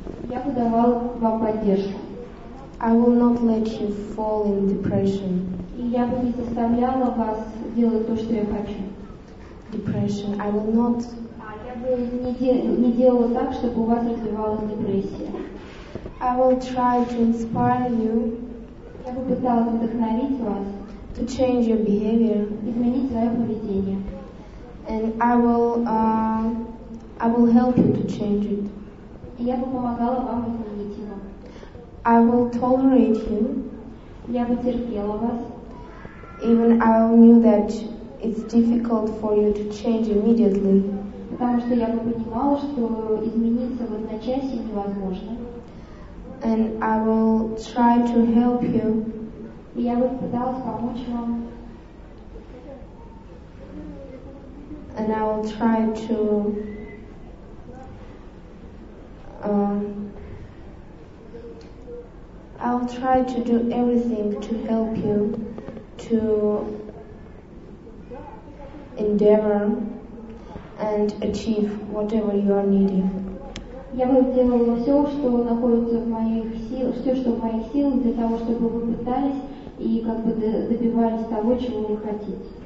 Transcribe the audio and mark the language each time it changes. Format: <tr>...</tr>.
<ru>Я бы давал вам поддержку.</ru> <en>I will not let you fall in depression.</en> <ru>И я бы не заставляла вас делать то, что я хочу.</ru> <en>Depression. I will not.</en> <ru>Я бы не делала так, чтобы у вас развивалась депрессия.</ru> <en>I will try to inspire you.</en> <ru>Я бы пыталась вдохновить вас.</ru> <en>To change your behavior.</en> <ru>Изменить свое поведение.</ru> <en>And I will help you to change it.</en> <ru>Я бы помогала вам изменить его.</ru> <en>I will tolerate you.</en> <ru>Я бы терпела вас.</ru> <en>Even I knew that it's difficult for you to change immediately.</en> <ru>Потому что я бы понимала, что измениться в одночасье невозможно.</ru> <en>And I will try to help you.</en> <ru>Я бы пыталась помочь вам.</ru> <en>And I will try to I'll try to do everything to help you to endeavor and achieve whatever you are needing.</en> <ru>Я бы сделала все, что находится в моих силах, все, что в моих силах, для того, чтобы вы пытались и как бы добивались того, чего вы хотите.</ru>